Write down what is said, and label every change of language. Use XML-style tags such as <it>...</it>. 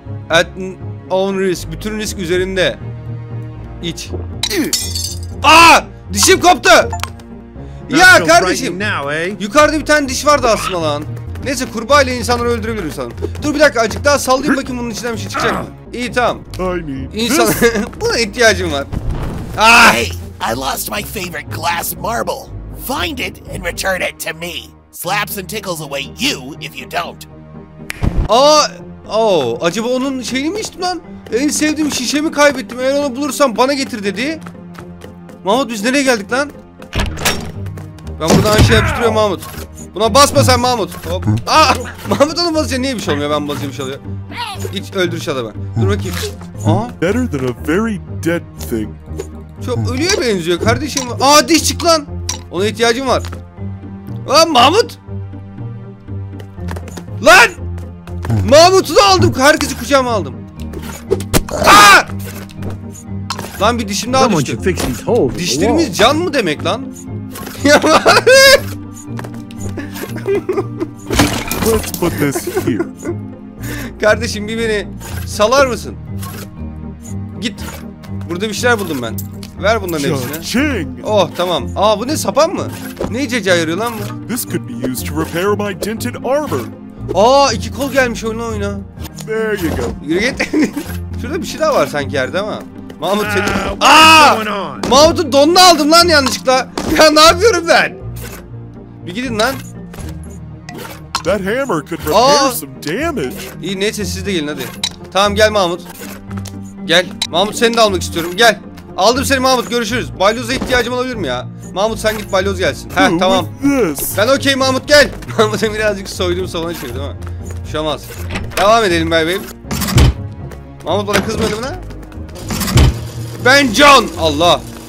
<en>At own risk.</en> <tr>Bütün risk üzerinde. İç. Aa! Dişim koptu! Ya kardeşim! Yukarıda bir tane diş vardı aslında lan. Neyse kurbağa ile insanları öldürebilirim sanırım. Dur bir dakika, azıcık daha sallayayım bakayım bunun içinden bir şey çıkacak mı? İyi tamam. İnsan... Buna ihtiyacım var. Aa! Hey!</tr> <en>I lost my favorite glass marble. Find it and return it to me. Slaps and tickles away you if you don't. Aa!</en> <tr>Oh, acaba onun şeyini mi içtim lan? En sevdiğim şişemi kaybettim. Eğer onu bulursam bana getir dedi. Mahmut biz nereye geldik lan? Ben buradan aşağı yapıştırıyorum Mahmut. Buna basma sen Mahmut. Hop. Aa! Mahmut onu basacak. Niye bir şey olmuyor? Ben basacağım bir şey oluyor. Git öldür şu adamı. Dur bakayım. Aa?</tr> <en>Better than a very dead thing.</en> <tr>Çok ölüye benziyor kardeşim. Aa diş çık lan. Ona ihtiyacım var. Aa Mahmut! Lan! Mahmut'u da aldım. Herkesi kucağıma aldım. Aa! Lan bir dişim daha düştü. Dişlerimiz can mı demek lan? Ya</tr> <en>Let's put this here.</en> <tr>Kardeşim bir beni salar mısın? Git. Burada bir şeyler buldum ben. Ver bunların hepsini. Oh tamam. Aa bu ne, sapan mı? Ne cecağı yarıyor lan bu?</tr> <en>This could be used to repair my dented armor.</en> <tr>Aa iki kol gelmiş oyuna oyuna.</tr> <en>There you go.</en> <tr>Yürü git. Şurada bir şey daha var sanki yerde ama. Mahmut seni... Aaa! Mahmut'un donunu aldım lan yanlışlıkla. Ya ne yapıyorum ben? Bir gidin lan.</tr> <en>That hammer could repair some damage.</en> <tr>İyi neyse siz de gelin hadi. Tamam gel Mahmut. Gel. Mahmut seni de almak istiyorum. Gel. Aldım seni Mahmut, görüşürüz. Balyoza ihtiyacım olabilir mi ya? Mahmut sen git, balyoz gelsin. Heh tamam. Ben okey Mahmut, gel. Mahmut'u birazcık soydum sabana çevirdim ama. Uşamaz. Devam edelim bebeğim. Mahmut bana kızmadı mı lan? Ben John! Allah!</tr>